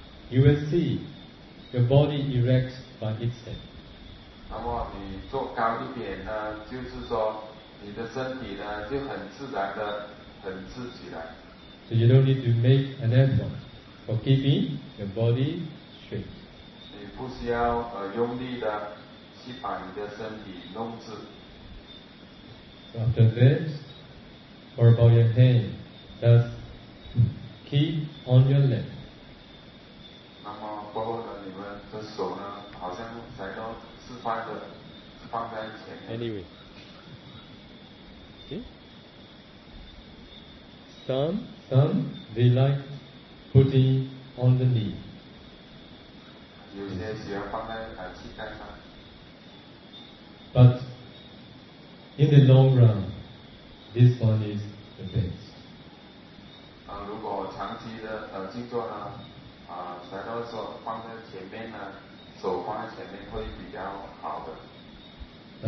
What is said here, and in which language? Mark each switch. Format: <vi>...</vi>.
<en>You will see your body erects by itself.</en> <zh>那么你坐高一点呢，就是说你的身体呢就很自然的，很自己的。</zh> <en>So you don't need to make an effort for keeping your body straight.</en> <zh>你不需要用力的去把你的身体弄直。</zh> <en>After this, what about your hand? Just keep on your leg.</en> <zh>那么过后呢，你们的手呢，好像才都是放的，是放在前面。</zh> <en>Anyway, see, some they like putting on the knee.</en> <zh>有些喜欢放在膝盖上。</zh> <en>But in the long run, this one is the best.</en> <zh>啊，如果长期的静坐呢，啊，才到说放在前面呢，手放在前面会比较好的。</zh>